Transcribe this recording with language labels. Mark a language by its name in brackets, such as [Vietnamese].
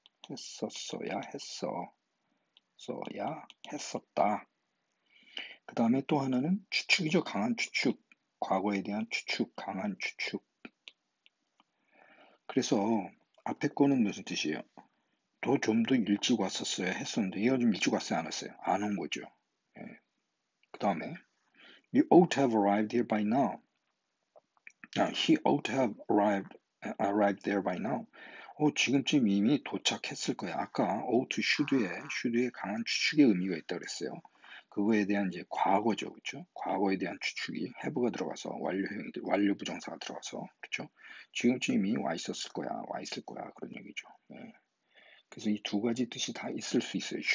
[Korean] 했었어야 했어. 써야 했었다. 그 다음에 또 하나는 추측이죠. 강한 추측. 과거에 대한 추측. 강한 추측. 그래서 앞에 거는 무슨 뜻이에요? 더좀더 일찍 왔었어야 했었는데 얘가 좀 일찍 왔어요? 안 왔어요? 안온 거죠. 그 다음에 [English] You ought to have arrived here by now. He ought to have arrived there by now. [Korean] 지금쯤 이미 도착했을 거야. 아까 ought to should에 강한 추측의 의미가 있다고 그랬어요. 그거에 대한 이제 과거죠. 그렇죠? 과거에 대한 추측이 have가 들어가서 완료형이 완료 부정사가 들어가서 그렇죠? 지금쯤 이미 와 있었을 거야. 와 있을 거야. 그런 얘기죠. 그래서 이두 가지 뜻이 다 있을 수 있어요.